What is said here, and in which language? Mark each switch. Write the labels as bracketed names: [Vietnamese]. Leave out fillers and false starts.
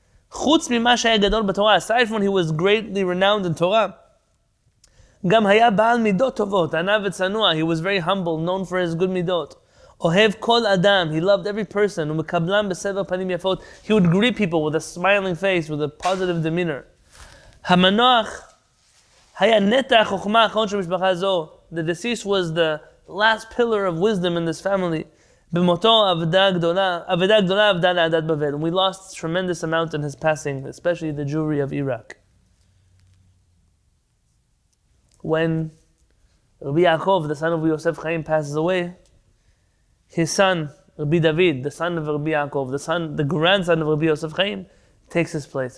[Hebrew] Chutz Mima Shehaya Gadol B'Torah, [English] aside from he was greatly renowned in Torah, [Hebrew] גם היה בעל מידות טובות, ענה וצנוע. [English] He was very humble, known for his good midot. [Hebrew] אוהב כל אדם. [English] He loved every person. [Hebrew] ומקבלם בסבר פנים יפות. [English] He would greet people with a smiling face, with a positive demeanor. [Hebrew] המנוח היה נטע חוכמה האחרון של משפחה זו. [English] The deceased was the last pillar of wisdom in this family. [Hebrew] במותו אבדה גדולה אבדה לעדת בבל. [English] And we lost a tremendous amount in his passing, especially the Jewry of Iraq. When Rabbi Yaakov, the son of Yosef Chaim, passes away, his son, Rabbi David, the son of Rabbi Yaakov, the grandson of Rabbi Yosef Chaim, takes his place.